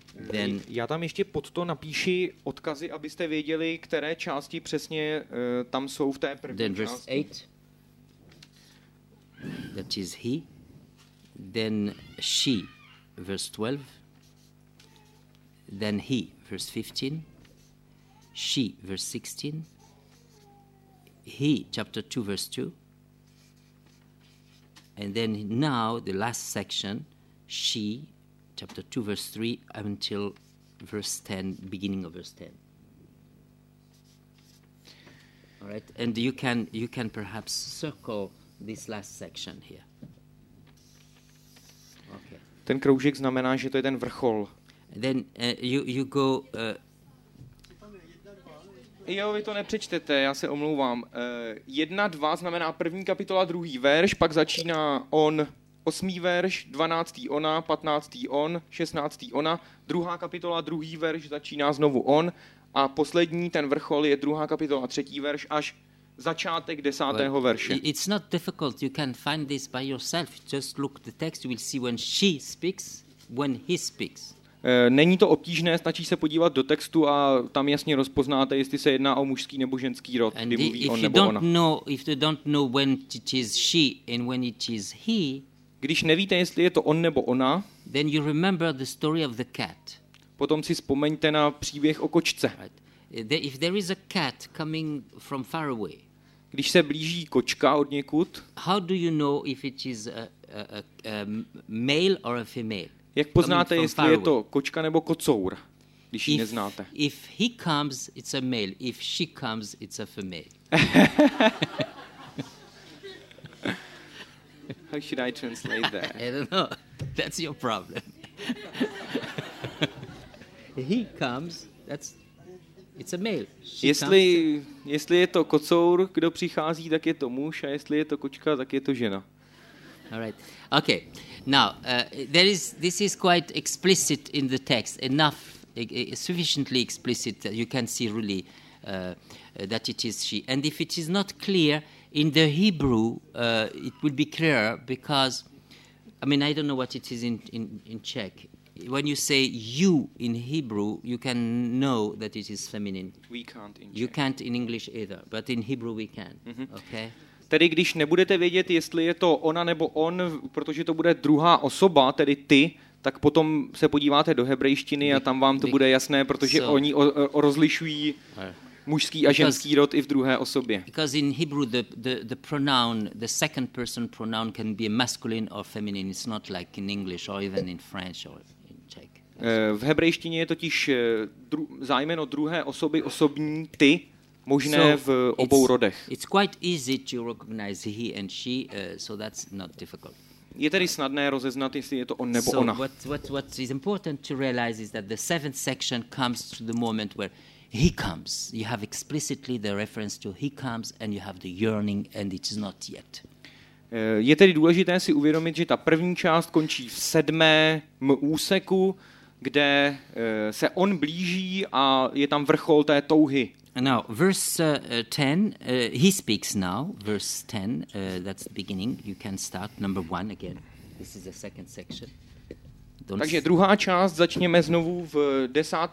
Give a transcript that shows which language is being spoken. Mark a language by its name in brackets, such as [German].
[Czech] Then, já tam ještě pod to napíši odkazy, abyste věděli, které části přesně tam jsou v té první [English] then verse [Czech] části. [English] 8, that is he, then she, verse 12, then he, verse 15, she, verse 16, he, chapter 2, verse 2, and then now the last section, she, chapter 2, verse 3, until verse 10, beginning of verse 10. All right, and you can perhaps circle this last section here. [Czech] Okay. Ten kroužek znamená, že to je ten vrchol. [English] Then you go... [Czech] Jo, vy to nepřečtete, já se omlouvám. 1:2 znamená první kapitola, druhý verš, pak začíná on... 8. verš, 12. ona, 15. on, 16. ona, 2. kapitola, 2. verš, začíná znovu on a poslední, ten vrchol, je 2. kapitola, 3. verš až začátek 10. verše. [English] It's not difficult, you can find this by yourself. Just look the text, you will see when she speaks, when he speaks. [Czech] Není to obtížné, stačí se podívat do textu a tam jasně rozpoznáte, jestli se jedná o mužský nebo ženský rod, kdy mluví on nebo ona. [English] Know, if you don't know when it is she and when it is he, [Czech] když nevíte, jestli je to on nebo ona, [English] then you remember the story of the cat. [Czech] Potom si vzpomeňte na příběh o kočce. [English] Right. If there is a cat coming from far away, [Czech] když se blíží kočka od někud, [English] how do you know if it is a male or a female? [Czech] Jak poznáte, jestli je to kočka nebo kocour, když ji neznáte? [English] If he comes, it's a male. If she comes, it's a female. How should I translate that? I don't know. That's your problem. He comes, that's it's a male. [Czech] Jestli je to kocour, kdo přichází, tak je to muž, a jestli je to kočka, tak je to žena. [English] All right. Okay. Now, this is quite explicit in the text. Enough sufficiently explicit that you can see really that it is she. And if it is not clear in the Hebrew, it would be clearer because, I mean, I don't know what it is in Czech. When you say you in Hebrew, you can know that it is feminine. We can't in Czech. You can't in English either, but in Hebrew we can. Mm-hmm. Okay? [Czech] Tedy když nebudete vědět, jestli je to ona nebo on, protože to bude druhá osoba, tedy ty, tak potom se podíváte do hebrejštiny a tam vám to bude jasné, protože oni rozlišují... mužský a ženský rod i v druhé osobě. [English] Because in Hebrew the pronoun, the second person pronoun can be masculine or feminine. It's not like in English or even in French or in Czech. [Czech] V hebrejštině je totiž zájmeno druhé osoby, osobní ty, možné v obou rodech. [English] It's quite easy to recognize he and she, so that's not difficult. [Czech] Je tedy snadné rozeznat, jestli je to on nebo ona. [English] So what is important to realize is that the seventh section comes to the moment where he comes. You have explicitly the reference to he comes and you have the yearning and it is not yet. [Czech] Je tedy důležité si uvědomit, že ta první část končí v 7. úseku, kde se on blíží a je tam vrchol té touhy. [English] Now, verse 10, he speaks now, verse 10, that's the beginning. You can start number 1 again. This is the second section. [Czech] Takže druhá část začněme znovu v 10.